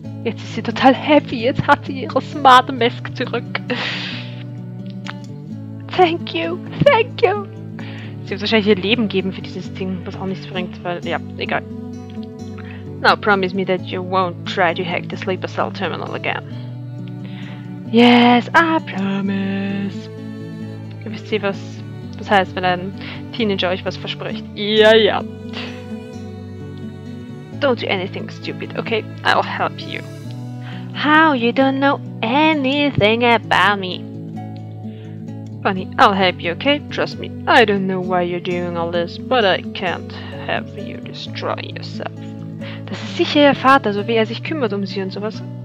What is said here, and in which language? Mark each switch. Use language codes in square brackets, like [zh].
[de] Jetzt ist sie total happy, jetzt hat sie ihre Smart Mask zurück. [en] Thank you, thank you. [de] Sie wird wahrscheinlich ihr Leben geben für dieses Ding, was auch nichts bringt, weil, ja, egal. [en] Now promise me that you won't try to hack the sleeper cell terminal again. Yes, I promise. [de] Wisst ihr, was das heißt, wenn ein Teenager euch was verspricht? Ja, ja. [en] Don't do anything stupid, okay? I'll help you. How you don't know anything about me? Funny, I'll help you, okay? Trust me. I don't know why you're doing all this, but I can't have you destroy yourself. [de] Das ist sicher ihr Vater, so wie er sich kümmert um sie und sowas.